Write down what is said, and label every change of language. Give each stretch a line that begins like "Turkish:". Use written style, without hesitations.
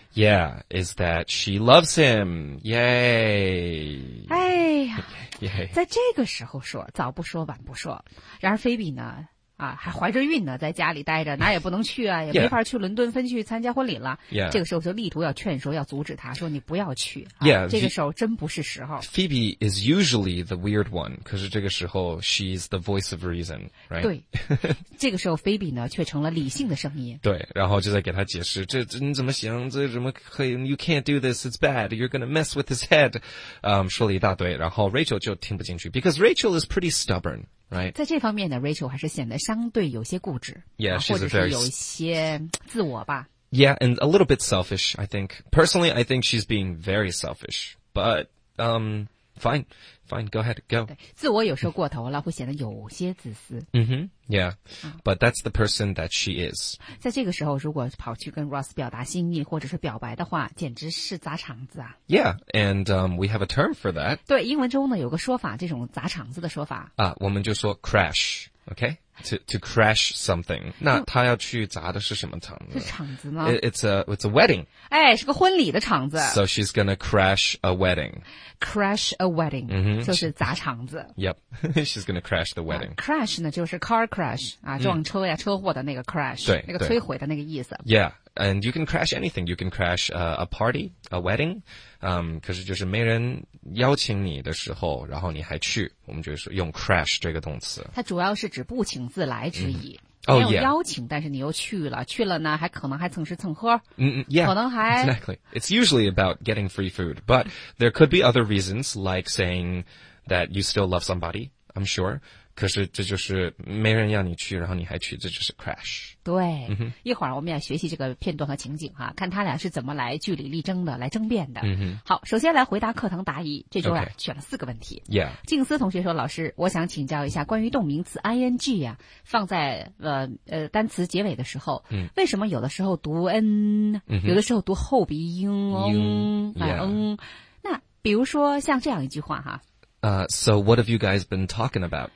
English: Yeah, is that she loves him. Yay.
Chinese: 哎呀。
English: Yay.
Chinese: 在这个时候说早不说晚不说。然而菲比呢啊，还怀着孕呢，在家里待着，哪也不能去啊，也没法去伦敦分去参加婚礼了。
English: Yeah.
Chinese: 这个时候就力图要劝说，要阻止他，说你不要去。啊、
English: yeah,
Chinese: 这个时候真不是时候。
English: Phoebe is usually the weird one,
Chinese: 可是这个时候
English: she's the voice of reason, right?
Chinese: 对，这个时候 Phoebe 呢却成了理性的声音。对，然后就在给他解释，这你怎么行？这怎么可以
English: ？You can't do this. It's bad. You're gonna mess with his head.
Chinese: 说了一大堆，然后 Rachel 就听不进去 ，
English: because Rachel is pretty stubborn. Right.
Chinese: 在这方面呢 Rachel 还是显得相对有些固执
English: yeah,
Chinese: 或者是有一些自我吧
English: Yeah, and a little bit selfish, I think. Personally, I think she's being very selfish. But, fine, go ahead, go.
Chinese: 自我有时候过头了会显得有些自私
English: Mm-hmm, yeah, but that's the person that she is.
Chinese: 在这个时候如果跑去跟 Ross 表达心意或者是表白的话简直是砸场子啊
English: Yeah, and we have a term for that.
Chinese: 对，英文中呢有个说法，这种砸场子的说法啊，我们就说 crash,
English: okay? To crash something.
Chinese: 那他要去砸的是什么场子？是场子吗
English: It's a wedding.
Chinese: 哎，是个婚礼的场子。
English: So she's gonna crash a wedding. Crash a wedding.
Chinese: 嗯哼，就是砸场子。
English: Yep. She's gonna crash the wedding.
Chinese: Crash 呢就是
English: car crash,
Chinese: 啊，撞车呀，车祸的那个 crash. 对，那个摧毁的那个意思。
English: Yeah. And you can crash anything. You can crash a party, a wedding.
Chinese: 可是就是没人邀请你的时候然后你还去我们就是用 crash 这个动词它主要是指不请自来之意、 mm. oh, 没有邀请、
English: yeah.
Chinese: 但是你又去了去了呢还可能还蹭吃蹭喝、
English: mm-hmm. yeah.
Chinese: 可能还
English: exactly. It's usually about getting free food but there could be other reasons like saying that you still love somebody I'm sure
Chinese: 可是这就是没人要你去然后你还去这就是
English: crash
Chinese: 对、嗯、一会儿我们要学习这个片段和情景哈，看他俩是怎么来据理力争的来争辩的、嗯、哼好首先来回答课堂答疑这周啊、
English: okay.
Chinese: 选了四个问题、
English: yeah.
Chinese: 静思同学说老师我想请教一下关于动名词 ing 啊，放在单词结尾的时候、嗯、为什么有的时候读 n、嗯、有的时候读后鼻音 ng、
English: yeah.
Chinese: 那比如说像这样一句话哈
English: So what have you guys been talking about?